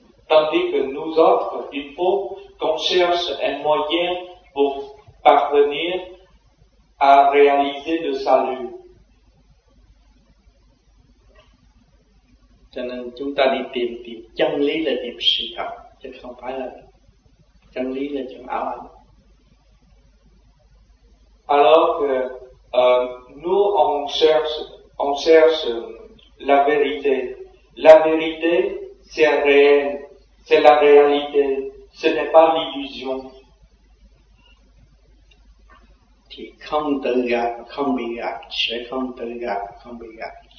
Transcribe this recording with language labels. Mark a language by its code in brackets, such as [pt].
[fr] Tandis que nous autres, il faut qu'on cherche un moyen pour parvenir à réaliser le salut. [vi] Cho nên chúng ta đi tìm, tìm chân lý là tìm sự thật, chứ không phải là chân lý là chân ảo ảnh. [fr] Alors que nous on cherche la vérité. La vérité c'est réel, c'est la réalité, ce n'est pas l'illusion. [vi] Thì không tự gạt, không bị gạt, sẽ không tự gạt, không bị gạt.